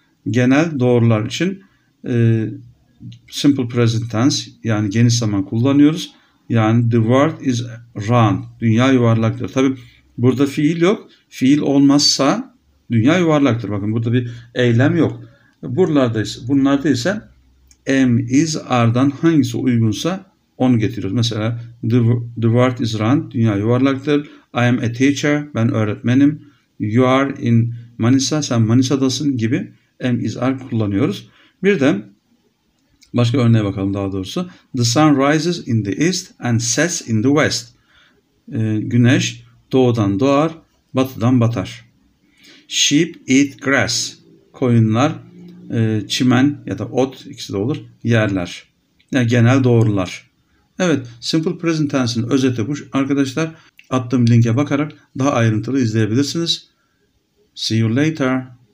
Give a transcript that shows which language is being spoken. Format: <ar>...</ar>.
<tr>Genel doğrular için simple present tense yani geniş zaman kullanıyoruz. Yani</tr> <en>the world is round.</en> <tr>Dünya yuvarlaktır. Tabii burada fiil yok. Fiil olmazsa dünya yuvarlaktır. Bakın burada bir eylem yok. Bunlarda ise am, is, are'dan hangisi uygunsa onu getiriyoruz. Mesela</tr> <en>the world is round.</en> <tr>Dünya yuvarlaktır.</tr> <en>I am a teacher.</en> <tr>Ben öğretmenim.</tr> <en>You are in Manisa.</en> <tr>Sen Manisa'dasın gibi am, is, are kullanıyoruz. Bir de başka örneğe bakalım daha doğrusu.</tr> <en>The sun rises in the east and sets in the west.</en> <tr>Güneş doğudan doğar, batıdan batar.</tr> <en>Sheep eat grass.</en> <tr>Koyunlar çimen ya da ot ikisi de olur yerler. Yani genel doğrular. Evet, simple present tense'in özeti bu. Arkadaşlar attığım linke bakarak daha ayrıntılı izleyebilirsiniz.</tr> <en>See you later.</en>